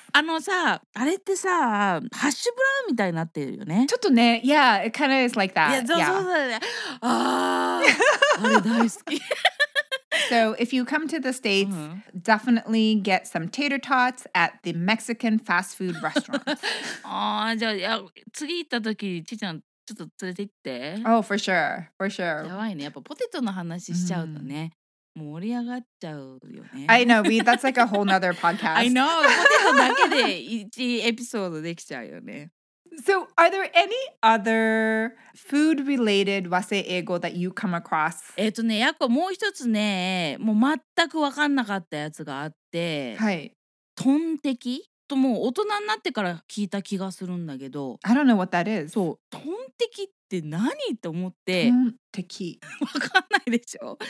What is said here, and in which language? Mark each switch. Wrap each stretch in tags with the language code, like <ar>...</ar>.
<ja>あのさ、あれってさ、ハッシュブラウンみたいになってるよね。ちょっとね、</ja> <en>Yeah, it kind of is like that.</en> <ja>Yeah, そうそうそう。あー、あれ大好き。</ja> <en>So if you come to the States,、uh-huh. definitely get some tater tots at the Mexican fast food restaurant.</en> <ja>あー、じゃあ、次行った時、ちーちゃん、ちょっと連れて行って。</ja> <en>Oh, for sure. For sure.</en> <ja>やばいね。やっぱポテトの話しちゃうとね、盛り上がっちゃうよね。</ja> <en>I know. That's like a whole nother podcast. I know.</en> <ja>ポテトだけで一エピソードできちゃうよね。</ja> <en>So, are there any other food-related 和製英語 that you come across?</en> <ja>ね、やっぱもう一つね、もう全く分かんなかったやつがあって、はい。トンテキ？もう大人になってから聞いた気がするんだけど、</ja> <en>I don't know what that is.</en> <ja>そう、トンテキって何って思って、トンテキ分かんないでしょ。</ja>